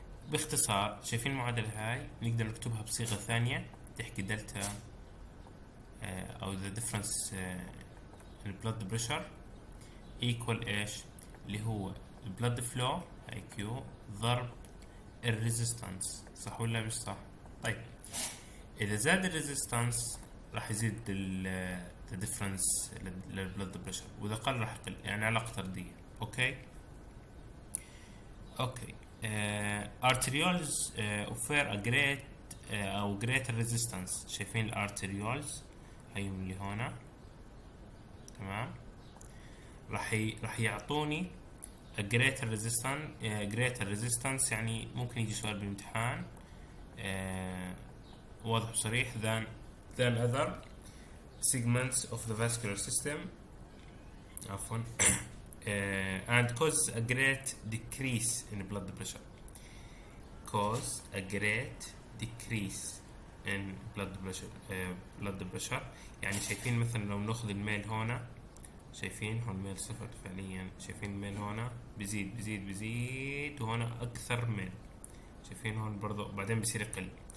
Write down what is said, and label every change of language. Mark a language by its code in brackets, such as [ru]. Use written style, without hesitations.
[ar] باختصار شايفين المعادلة هاي، نقدر نكتبها بصيغة ثانية تحكي دلتا او ذا ديفرنس البلد بريشر ايكوال ايش اللي هو البلد فلو اي كيو ضرب الريزيستنس، صح ولا مش صح؟ طيب اذا زاد الريزيستنس راح يزيد [en] the difference [ar] للبلد بريشر، واذا قل راح يقل، يعني علاقة طردية. [en] Okay okay arterioles offer a great او greater resistance. [ar] شايفين الارتريولز هاي اللي هون. تمام. راح يعطوني [en] a greater resistance. greater resistance [ar] يعني ممكن يجي سؤال بالامتحان واضح وصريح [en] than other segments of the vascular system عفوا and causes a great decrease in blood pressure. cause a great decrease in blood pressure [ar] blood pressure يعني شايفين مثلا لو ناخذ الميل هون، شايفين هون الميل صفر فعليا، شايفين الميل هون بزيد بزيد بزيد، وهنا اكثر ميل، شايفين هون برضه بعدين بصير يقل.